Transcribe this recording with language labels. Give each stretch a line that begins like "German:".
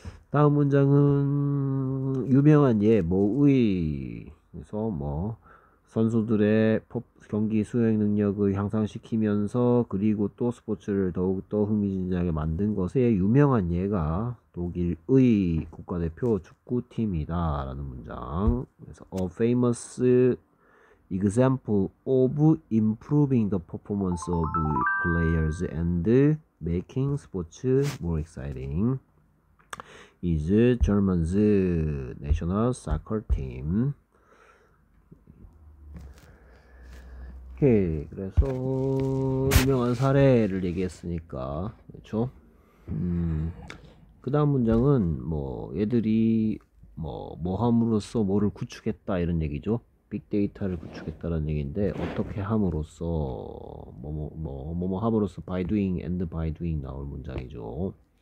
Korean: 다음 문장은 유명한 예 뭐의 그래서 뭐 선수들의 경기 수행 능력을 향상시키면서 그리고 또 스포츠를 더욱더 흥미진진하게 만든 것의 유명한 예가 독일의 국가대표 축구팀이다라는 문장. 그래서
English: A famous example of improving the performance of players and making sports more exciting is Germany's national soccer team.
Korean: 오케이, 그래서 유명한 사례를 얘기했으니까 그렇죠? 그다음 문장은 뭐 얘들이 뭐 함으로써 뭐를 구축했다 이런 얘기죠? 빅데이터를 구축했다는 얘기인데 어떻게 함으로써 뭐뭐뭐뭐뭐 함으로써
English: by doing and by doing
Korean: 나올 문장이죠.